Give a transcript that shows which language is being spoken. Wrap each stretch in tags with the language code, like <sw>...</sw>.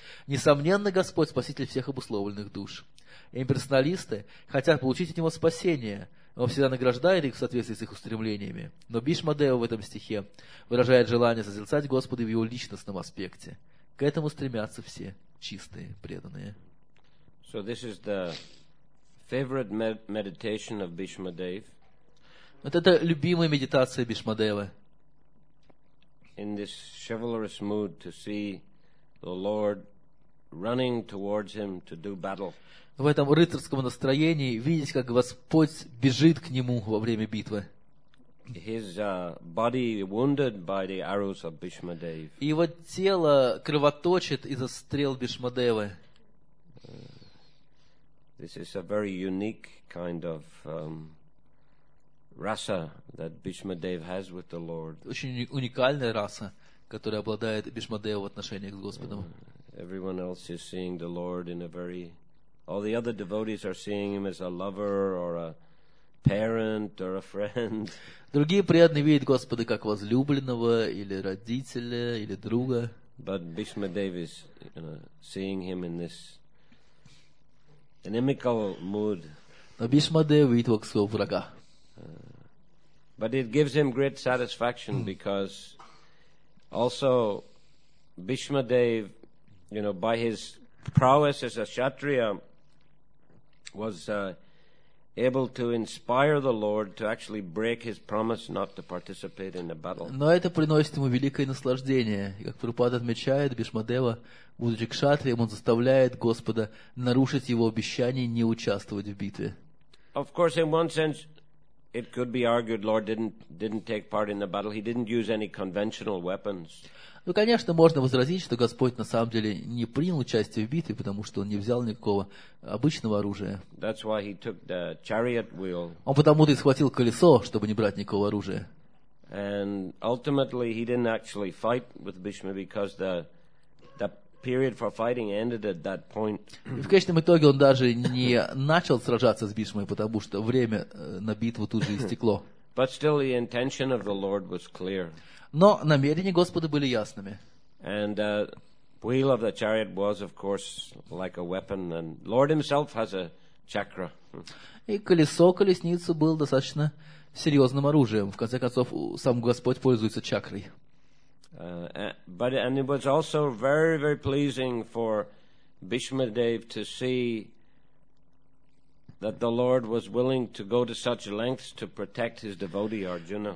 <ru>Несомненно, Господь – спаситель всех обусловленных душ. Имперсоналисты хотят получить от него спасение, он всегда награждает их в соответствии с их устремлениями, но Бишмадева в этом стихе выражает желание созерцать Господа в его личностном аспекте. К этому стремятся все чистые преданные.</ru> <en>So this is the favorite meditation of Bishmadev.</en> <ru>Вот это любимая медитация Бишмадевы.</ru> <en>In this chivalrous mood to see the Lord running towards him to do battle.</en> <ru>В этом рыцарском настроении видеть, как Господь бежит к нему во время битвы.</ru> <en>His body wounded by the arrows of Bishmadev.</en> <ru>Его тело кровоточит из-за стрел Бишмадевы.</ru> <en>This is a very unique kind of rasa that Bishmadev has with the Lord.</en> <ru>Очень уникальная раса, которая обладает Бишмадева в отношениях с Господом.</ru> <en>Everyone else is seeing the Lord in a very... All the other devotees are seeing him as a lover or a parent or a friend.</en> <ru>Другие преданные видят Господа как возлюбленного или родителя или друга.</ru> <en>But Bhishma Devi is, you know, seeing him in this inimical mood.</en> <ru>Но Бхишма Дева видит его как своего врага.</ru> <en>But it gives him great satisfaction because also Bhishma Dev, you know, by his prowess as a kshatriya, was able to inspire the Lord to actually break his promise not to participate in the battle.</en> <ru>Но это приносит ему великое наслаждение. Как Прабхупада отмечает, Бхишма Дева, будучи кшатрием, он заставляет Господа нарушить его обещание не участвовать в битве.</ru> <en>Of course, in one sense, it could be argued Lord didn't take part in the battle. He didn't use any conventional weapons.</en> <ru>Ну, конечно, можно возразить, что Господь на самом деле не принял участие в битве, потому что он не взял никакого обычного оружия.</ru> <en>That's why he took the chariot wheel.</en> <ru>Он потому-то и схватил колесо, чтобы не брать никакого оружия.</ru> <en>And ultimately he didn't actually fight with Bhishma because the period for fighting ended at that point.</en> <ru>И в конечном итоге он даже не начал сражаться с Бхишмой, потому что время на битву тут же истекло.</ru> <en>But still the intention of the Lord was clear.</en> <ru>Но намерения Господа были ясными.</ru> <en>And the wheel of the chariot was, of course, like a weapon, and Lord himself has a chakra.</en> <ru>И колесо колесницы было достаточно серьезным оружием. В конце концов, сам Господь пользуется чакрой.</ru> <en>And it was also very, very pleasing for Bhishma Dev to see that the Lord was willing to go to such lengths to protect his devotee Arjuna.</en>